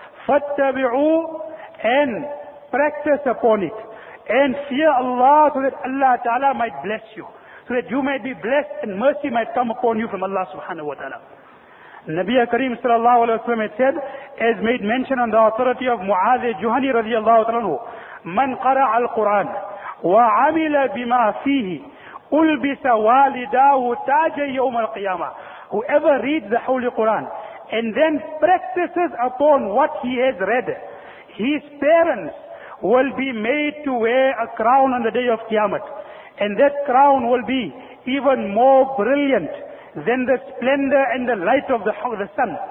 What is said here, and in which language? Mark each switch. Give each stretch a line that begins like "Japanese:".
Arabic: فَاتَّبِعُوا
English: and practice upon it. And fear Allah so that Allah Ta'ala might bless you. So that you might be blessed and mercy might come upon you from Allah subhanahu wa ta'ala. Nabiya Kareem sallallahu alayhi wa sallam had said, as made mention on the authority of Mu'adh al-Juhani radiallahu ta'ala,
Arabic: من قرأ القرآن وعمل بما فيه ألبس والداه تاج يوم القيامة.
English: Whoever reads the Holy Quran and then practices upon what he has read, his parents will be made to wear a crown on the day of Qiyamah. And that crown will be even more brilliant than the splendor and the light of the sun.